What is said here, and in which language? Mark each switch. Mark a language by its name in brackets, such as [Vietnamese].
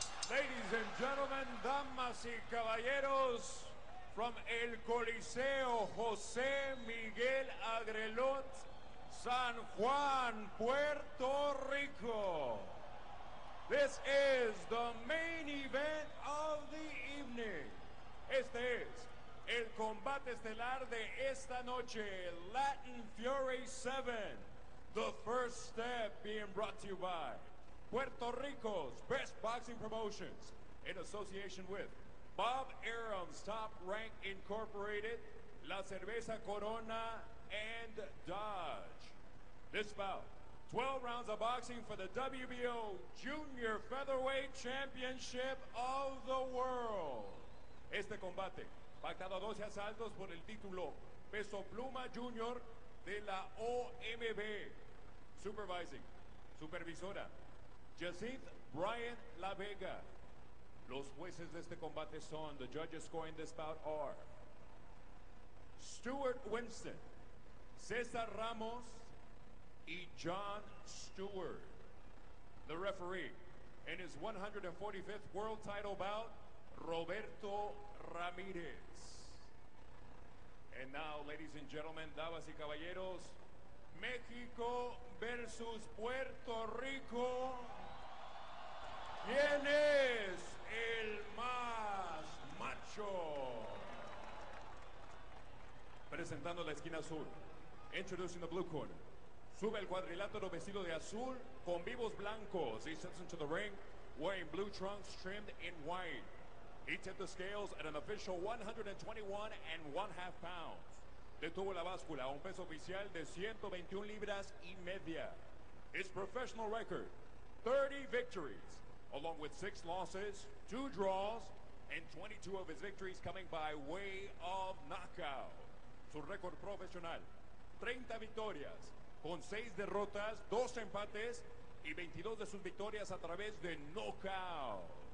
[English] Ladies and gentlemen, [Spanish] damas y caballeros, [English] from El Coliseo, José Miguel Agrelot, San Juan, Puerto Rico. This is the main event of the evening. [Spanish] Este es el combate estelar de esta noche, Latin Fury 7. [English] The first step being brought to you by Puerto Rico's best boxing promotions in association with Bob Arum's Top Rank Incorporated, La Cerveza Corona, and Dodge. This bout, 12 rounds of boxing for the WBO Junior Featherweight Championship of the World. [Spanish] Este combate, pactado a 12 asaltos por el título Peso Pluma Junior de la OMB. [English] Supervising, supervisora, Jacinth Bryant La Vega. [Spanish] Los jueces de este combate son, [English] the judges scoring this bout are [Spanish] Stuart Winston, Cesar Ramos, E. John Stewart. [English] The referee in his 145th world title bout, Roberto Ramirez. And now, ladies and gentlemen, [Spanish] damas y caballeros, [English] Mexico versus Puerto Rico. [Spanish] ¿Quién es el más macho? Presentando la esquina azul, [English] introducing the blue corner. [Spanish] Sube el cuadrilátero vestido de azul con vivos blancos. [English] He steps into the ring wearing blue trunks trimmed in white. He tipped the scales at an official 121.5 pounds. [Spanish] Detuvo la báscula a un peso oficial de 121 libras y media. [English] His professional record, 30 victories, along with 6 losses, 2 draws, and 22 of his victories coming by way of knockout. [Spanish] Su record profesional, 30 victorias, con 6 derrotas, 2 empates, y 22 de sus victorias a través de knockout.